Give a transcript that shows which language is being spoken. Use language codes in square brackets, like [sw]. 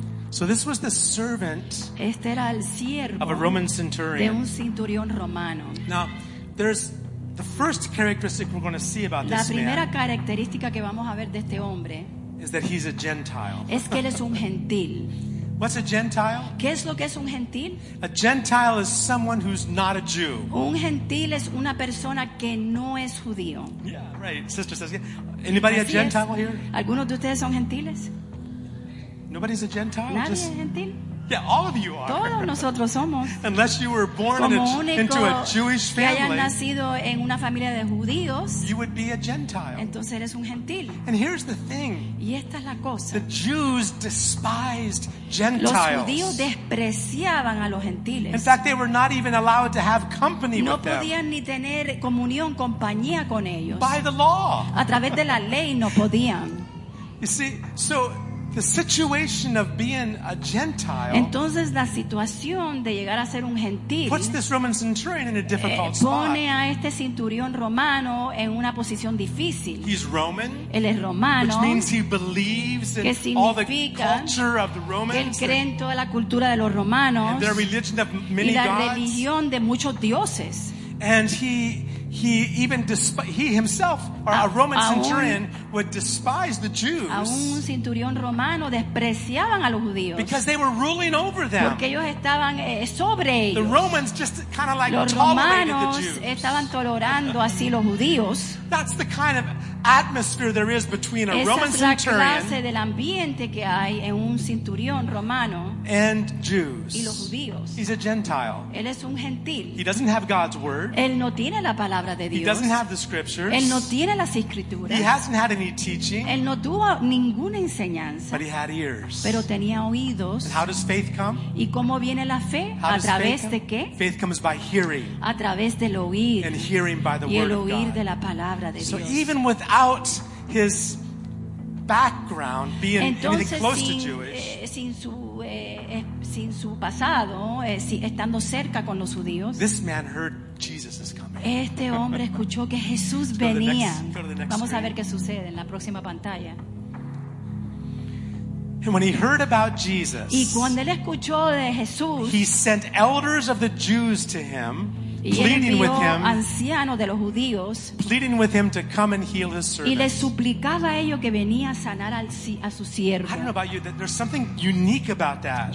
[en] So this was the servant of a Roman centurion. [es] De un centurión romano. [en] Now, there's the first characteristic we're going to see about this [es] man. La primera característica que vamos a ver de este hombre [en] is that he's a Gentile. [es] Es que él es un gentil. [en] What's a Gentile? [es] ¿Qué es lo que es un gentil? [en] A Gentile is someone who's not a Jew. [es] Un gentil es una persona que no es judío. [en] Yeah, right. Sister says, yeah. Anybody [es] Así [en] a Gentile [es] es. [en] Here? [es] ¿Algunos de ustedes son gentiles? [en] Nobody's a Gentile. [es] Nadie es gentil. [en] Yeah, all of you are. [es] Todos nosotros somos. [en] Unless you were born into a Jewish family, [es] que hayan nacido en una familia de judíos, [en] you would be a Gentile. [es] Entonces eres un gentil. [en] And here's the thing. [es] Y esta es la cosa. [en] The Jews despised Gentiles. [es] Los judíos despreciaban a los gentiles. [en] In fact, they were not even allowed to have company [es] no [en] with them. [es] No podían ni tener comunión, compañía con ellos. [en] By the law. [es] A través de la ley no podían. [en] You see, so the situation of being a Gentile, [es] entonces la situación de llegar a ser un gentil, [en] puts this Roman centurion in a difficult spot. [es] Pone a este centurión romano en una posición difícil. [en] He's Roman. [es] Él es romano. [en] Which means he believes in all the culture of the Romans. [es] Él cree en toda la cultura de los romanos. [en] And their religion of many gods. [es] Y la religión de muchos dioses. [en] And he himself, a Roman centurion, would despise the Jews. [es] A un centurión romano despreciaban a los judíos. [en] Because they were ruling over them. [es] Porque ellos estaban sobre ellos. [en] The Romans just kind of like [es] los [en] tolerated [es] romanos [en] the Jews. [es] Estaban tolerando así los judíos. [en] That's the kind of atmosphere there is between a [es] Esa [en] Roman [es] es la [en] centurion [es] clase del ambiente que hay en un centurión romano [en] and Jews. [es] Y los judíos. [en] He's a Gentile. [es] Él es un gentil. [en] He doesn't have God's word. [es] Él no tiene la palabra de Dios. [en] He doesn't have the scriptures. [es] Él no tiene las escrituras. [en] He hasn't had any teaching. [es] Él no tuvo ninguna enseñanza. [en] But he had ears. [es] Pero tenía oídos. [en] And how does faith come? [es] ¿Y cómo viene la fe? [en] How [es] ¿A través de qué? [en] Faith comes by hearing. [es] A través del oír. [en] And hearing by the [es] y el [en] word [es] oír [en] of God. [es] De la palabra de [en] so [es] Dios. [en] Even without his background being [es] entonces, [en] anything close [es] sin, [en] to Jewish. [es] Sin su pasado, estando cerca con los judíos. [en] This man heard Jesus is coming. [es] Este hombre escuchó que Jesús venía. Vamos a ver qué sucede en la próxima pantalla. [en] And when he heard about Jesus, [es] y cuando él escuchó de Jesús, [en] he sent elders of the Jews to him, pleading with him to come and heal his servant. [es] Y le suplicaba a ellos que venía a sanar al, a su siervo. [en] I don't know about you, there's something unique about that.